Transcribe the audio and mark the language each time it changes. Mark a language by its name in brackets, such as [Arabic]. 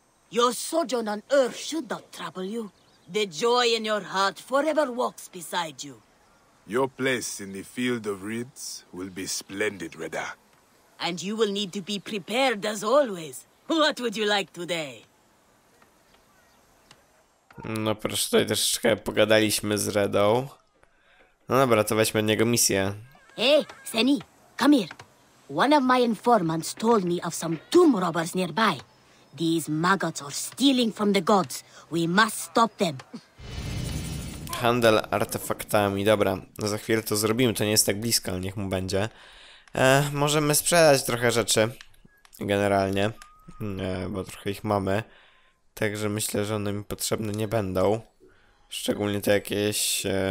[English] Your sojourn on Earth should not trouble you. The joy in your heart forever walks beside you. Your place in the field of reeds will be splendid, Redda. And you will need to be prepared as always. What would you like today? [Polish] No proszę, tutaj troszeczkę pogadaliśmy z Redą. No dobra, to weźmy od niego misję. [English] Hey, Seni, come here. One of my informants told me of some tomb robbers nearby. These maggots are stealing from the gods. We must stop them. [Polish] Handel artefaktami. Dobra, no za chwilę to zrobimy. To nie jest tak blisko, ale niech mu będzie. Możemy sprzedać trochę rzeczy. Generalnie. Bo trochę ich mamy. Także myślę, że one mi potrzebne nie będą. Szczególnie te jakieś...